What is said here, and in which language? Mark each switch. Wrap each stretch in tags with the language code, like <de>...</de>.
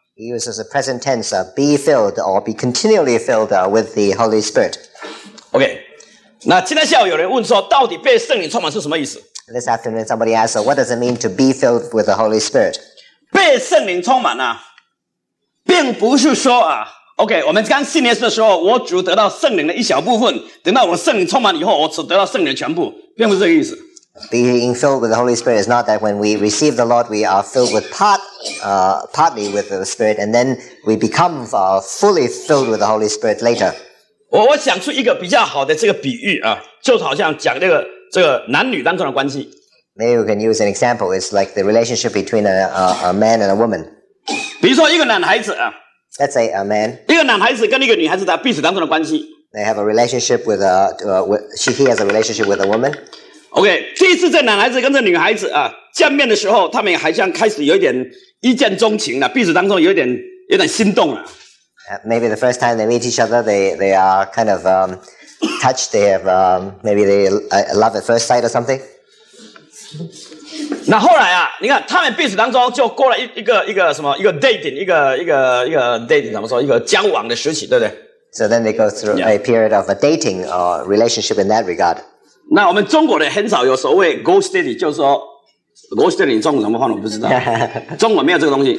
<en>He uses the present tense of be filled or be continually filled with the Holy Spirit.</en> <zh>OK， 那今天下午有人问说，到底被圣灵充满是什么意思</zh> <en>？This afternoon somebody asked, what does it mean to be filled with the Holy Spirit？</en> <zh>被圣灵充满呢、啊，并不是说啊。 OK， 我们刚信耶稣的时候，我只得到圣灵的一小部分。等到我圣灵充满以后，我只得到圣灵的全部，并不是这个意思。</zh> <en>Being filled with the Holy Spirit is not that when we receive the Lord, we are filled with partly with the Spirit, and then we become fully filled with the Holy Spirit later.</en> <zh>我想出一个比较好的这个比喻啊，就好像讲这个男女当中的关系。</zh> <en>Maybe we can use an example. It's like the relationship between a man and a woman.</en> <zh>比如说一个男孩子啊。</zh> <en>Let's say a man.</en> <zh>一个男孩子跟一个女孩子的彼此当中的关系。</zh> <en>They have a relationship with a he has a relationship with a woman.</en> <zh>Okay, 第一次这男孩子跟这女孩子啊见面的时候，他们好像开始有点一见钟情了，彼此当中有点心动了。</zh> <en>Maybe the first time they meet each other, they are kind of touched. They have maybe they love at first sight or something.</en> <zh>那后来啊，你看他们彼此当中就过了一个什么一个 dating 一个 dating 怎么说一个交往的时期，对不对</zh> <en>？So then they go through a period of a dating or relationship in that regard.</en> <zh>那我们中国人很少有所谓 ghost dating， 就是说 ghost dating 中文怎么翻我不知道，中文没有这个东西。</zh>